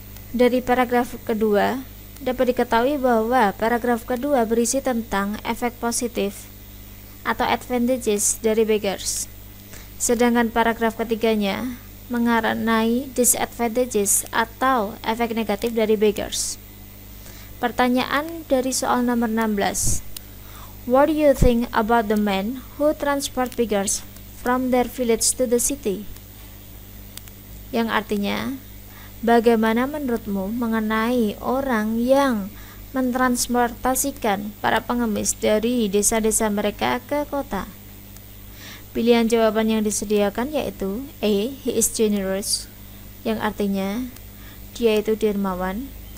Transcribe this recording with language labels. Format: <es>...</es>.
<id>Dari paragraf kedua, dapat diketahui bahwa paragraf kedua berisi tentang efek positif atau advantages dari beggars. Sedangkan paragraf ketiganya mengenai disadvantages atau efek negatif dari beggars. Pertanyaan dari soal nomor 16.</id> <en>What do you think about the man who transport beggars from their village to the city?</en> <id>Yang artinya, bagaimana menurutmu mengenai orang yang mentransportasikan para pengemis dari desa-desa mereka ke kota? Pilihan jawaban yang disediakan yaitu A.</id> <en>He is generous,</en> <id>yang artinya dia itu dermawan.</id>